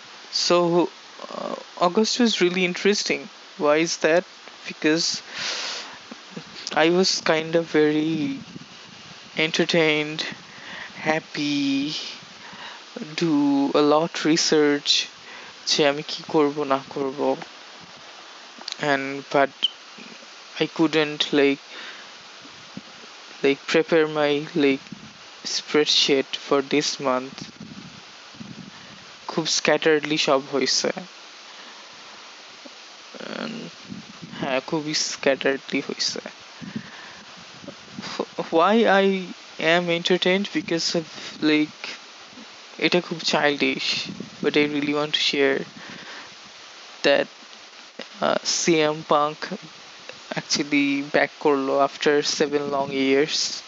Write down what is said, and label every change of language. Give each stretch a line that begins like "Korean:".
English: So, August was really interesting. Why is that? Because I was kind of very entertained, happy, do a lot research.
Bangla: যে আমি কি করবো না করবো,
English: And but I couldn't like prepare my like spreadsheet for this month.
Bangla: খুব স্ক্যাটার্ডলি সব হয়েছে, হ্যাঁ খুবই স্ক্যাটার্ডলি হয়েছে.
English: why I am entertained, because of like
Bangla: এটা খুব
English: childish, but I really want to share that CM Punk actually back
Bangla: korlo
English: after 7 long years.